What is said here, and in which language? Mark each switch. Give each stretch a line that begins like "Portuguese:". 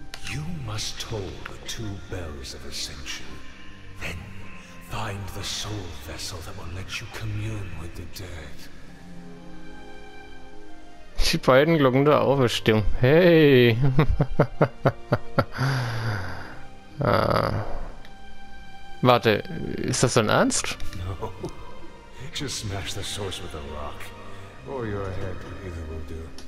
English: You must toll the two bells of ascension. Find the soul vessel that will let you commune with the dead.
German: Die beiden Glocken der Auferstehung. Hey! Warte, ist das dein Ernst?
English: No. Just smash the source with a rock. Or your head, either will do.